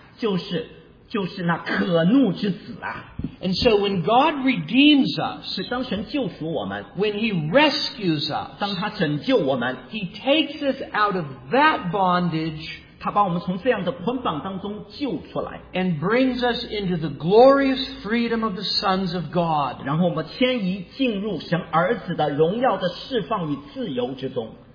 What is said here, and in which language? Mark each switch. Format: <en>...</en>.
<zh>就是那可怒之子啊。</zh> <en>And so when God redeems us,</en> <zh>是当神救赎我们,</zh> <en>when He rescues us,</en> <zh>当他拯救我们,</zh> <en>He takes us out of that bondage,</en> <zh>他把我们从这样的捆绑当中救出来,</zh> <en>and brings us into the glorious freedom of the sons of God.</en> <zh>然后我们迁移进入神儿子的荣耀的释放与自由之中。</zh>